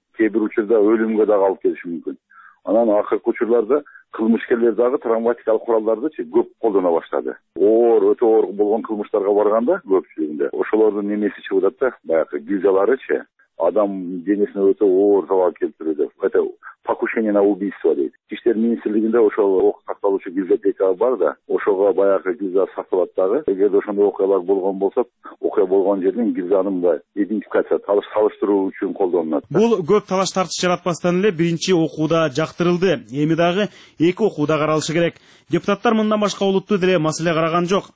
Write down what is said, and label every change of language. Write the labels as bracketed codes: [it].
[ky] Кээ бир учурда өлүмгө дагы алып келиши мүмкүн. Анан акыркы учурларда кылмышкерлер дагы травматикалык куралдарды көп колдоно баштады. Оор, өтө оор болгон кылмыштарга барганда көпчүлүгүндө ошолордун немеси чыгып атат да, баягы гильзаларычы адам денесине өтө оор зарар келтирүүдө. [ru] Это покушение на убийство [ky] дейт. Ички иштер министрлигинде ошол ок катталуучу гильзотека бар да, ошого баягы гильза сатылат дагы. Эгерде ошондой окуялар болгон болсо, окуя болгон жерден гильзанын баягы идентификация салыштыруу үчүн колдонулат. Бул көп талаш тартыш жаратпастан эле биринчи окууда жактырылды. Эми дагы эки окууда каралышы керек. Депутаттар мындан башка олуттуу деле маселе караган жок.